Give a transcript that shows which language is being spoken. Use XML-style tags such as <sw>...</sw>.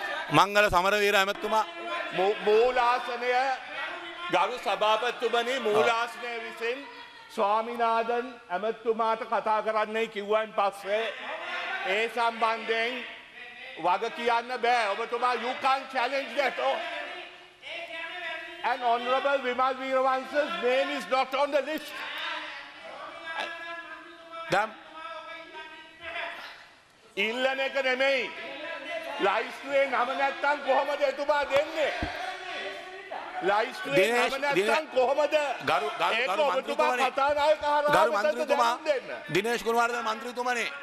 <si>මංගල සමරවීර ඇමතිතුමා මූලාසනය ගරු සභාපතිතුමනි මූලාසනය විසින් ස්වාමිනාදන් ඇමතිතුමාට කතා කරන්නයි කිව්වන් පස්සේ ඒ සම්බන්ධයෙන් වග කියන්න බෑ.</si> <en>ඔබතුමා you can challenge that. An honorable Vimal Veerawansa's name is not on the list.</en> <si>දැන් ඉල්ලන එක නෙමෙයි ලයිස්තුවේ නම නැත්තම් කොහමද එතුමා දෙන්නේ? ලයිස්තුවේ නම නැත්තම් කොහමද? ගරු ඔබතුමා කතා නායක හරහා ගරු මන්ත්‍රීතුමා දිනේෂ් ගුණවර්ධන මන්ත්‍රීතුමනේ</si>